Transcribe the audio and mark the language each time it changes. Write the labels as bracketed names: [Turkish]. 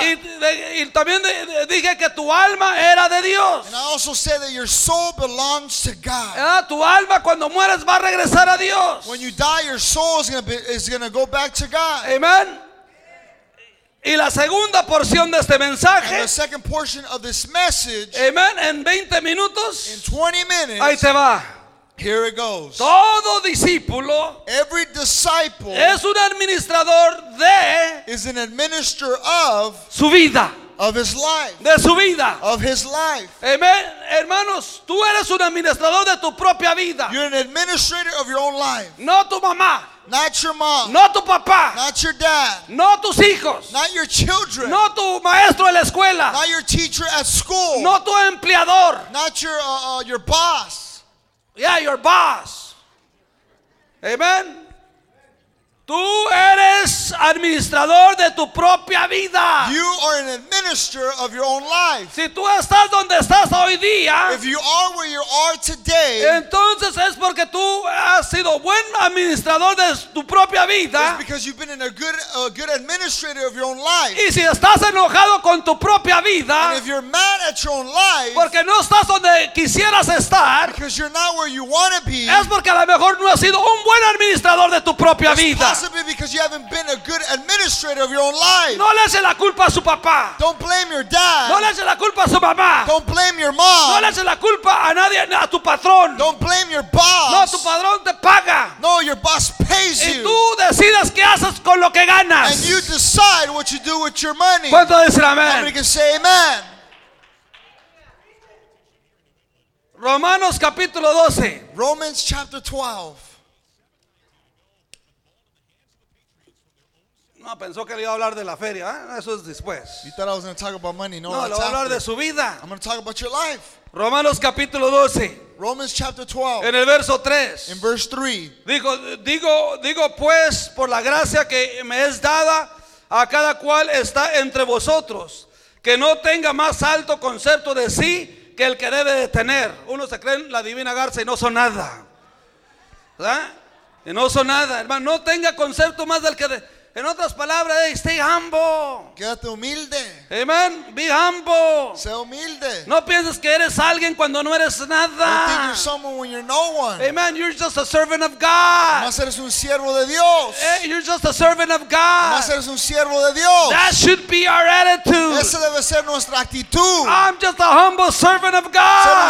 [Spanish] Y también dije que tu alma era de Dios. [English] And I also said that your soul belongs to God. [Spanish] Ah, tu alma cuando mueres va a regresar a Dios. [English] When you die, your soul is gonna go back to God. Amen. [Spanish] Y la segunda porción de este mensaje, [English] and the second portion of this message, [Spanish] amen, en 20 minutos, [English] in 20 minutes, [Spanish] ahí se va. [English] Here it goes. [Spanish] Todo discípulo, [English] every disciple, [Spanish] es un administrador de, [English] is an administrator of, [Spanish] su vida, [English] of his life, [Spanish] de su vida, [English] of his life. [Spanish] Amen, hermanos, tú eres un administrador de tu propia vida. [English] You're an administrator of your own life. [Spanish] No tu mamá. [English] Not your mom. [Spanish] No tu papá. [English] Not your dad. [Spanish] No tus hijos. [English] Not your children. [Spanish] No tu maestro de la escuela. [English] Not your teacher at school. [Spanish] No tu empleador. [English] Not your boss. Yeah, your boss. Amen. [Spanish] Tú eres administrador de tu propia vida. [English] You are an administrator of your own life. [Spanish] Si tú estás donde estás hoy día, [English] if you are where you are today, [Spanish] entonces es porque tú has sido buen administrador de tu propia vida. [English] It's because you've been in a good administrator of your own life. [Spanish] Y si estás enojado con tu propia vida, [English] and if you're mad at your own life, [Spanish] porque no estás donde quisieras estar, [English] because you're not where you want to be, [Spanish] es porque a lo mejor no has sido un buen administrador de tu propia vida. [English] Possibly because you haven't been a good administrator of your own life. [Spanish] No le eche la culpa a su papá. [English] Don't blame your dad. [Spanish] No le eche la culpa a su mamá. [English] Don't blame your mom. [Spanish] No le eche la culpa a nadie, a tu patrón. [English] Don't blame your boss. [Spanish] No, tu patrón te paga. [English] No, your boss pays [Spanish] y [English] you. [Spanish] Y tú decides qué haces con lo que ganas. [English] And you decide what you do with your money. [Spanish] ¿Cuánto dicen amén? [English] Somebody can say amen. [Spanish] Romanos capítulo 12. [English] Romans chapter 12. [Spanish] No, pensó que le iba a hablar de la feria, ¿eh? Eso es después. [English] You thought I was going to talk about money. [Spanish] No, no, le voy a hablar de su vida. [English] I'm going to talk about your life. [Spanish] Romanos capítulo 12. [English] Romans chapter 12. [Spanish] En el verso 3. [English] In verse 3. [Spanish] Digo pues, por la gracia que me es dada a cada cual está entre vosotros, que no tenga más alto concepto de sí que el que debe de tener. Uno se cree en la divina garza y no son nada. ¿Verdad? Y no son nada, hermano. No tenga concepto más del que de... En otras palabras, [English] hey, stay humble. [Spanish] Quédate humilde. [English] Amen. Be humble. [Spanish] Sé humilde. No pienses que eres alguien cuando no eres nada. [English] Don't think you're someone when you're no one. Amen. You're just a servant of God. [Spanish] Más eres un siervo de Dios. [English] Hey, you're just a servant of God. [Spanish] Más eres un siervo de Dios. [English] That should be our attitude. [Spanish] Esa debe ser nuestra actitud. [English] I'm just a humble servant of God.